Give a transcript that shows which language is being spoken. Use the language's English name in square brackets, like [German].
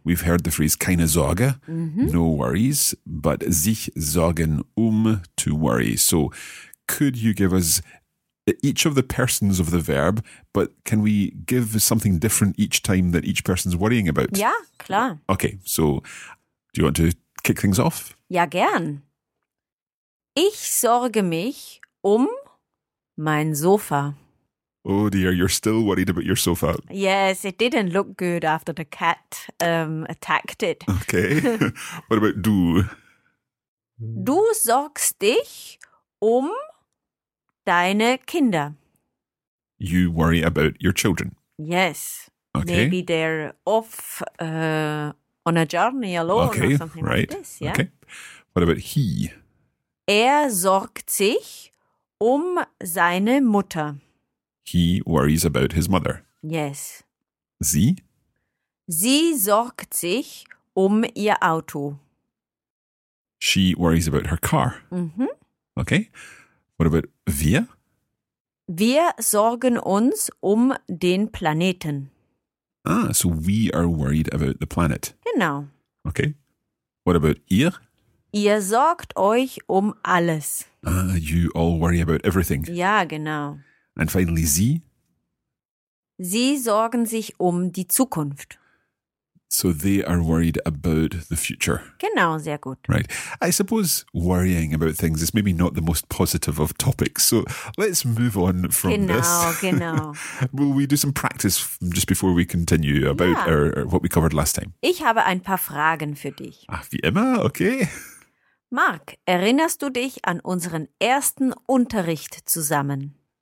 [English] We've heard the phrase [German] keine Sorge, [English] no worries, but [German] sich sorgen um, [English] to worry. So could you give us each of the persons of the verb, but can we give something different each time that each person's worrying about? [German] Ja, klar. [English] Okay, so do you want to kick things off? [German] Ja, gern. Ich sorge mich um mein Sofa. [English] Oh dear, you're still worried about your sofa. Yes, it didn't look good after the cat attacked it. Okay, what about du? [German] Du sorgst dich um deine Kinder. [English] You worry about your children. Yes. Okay. Maybe they're off on a journey alone, okay, or something, right, like this. Yeah? Okay. What about he? [German] Er sorgt sich um seine Mutter. [English] He worries about his mother. Yes. [German] Sie? Sie sorgt sich um ihr Auto. [English] She worries about her car. Mm-hmm. Okay. What about wir? [German] Wir sorgen uns um den Planeten. [English] Ah, so we are worried about the planet. [German] Genau. [English] Okay. What about ihr? [German] Ihr sorgt euch um alles. [English] Ah, you all worry about everything. [German] Ja, genau. [English] And finally, sie? [German] Sie sorgen sich um die Zukunft. [English] So they are worried about the future. [German] Genau, sehr gut. [English] Right. I suppose worrying about things is maybe not the most positive of topics. So let's move on from this. [German] Genau. [English] Will we do some practice just before we continue about what we covered last time? [German] Ich habe ein paar Fragen für dich. Ach, wie immer, okay. Mark, erinnerst du dich an unseren ersten Unterricht zusammen?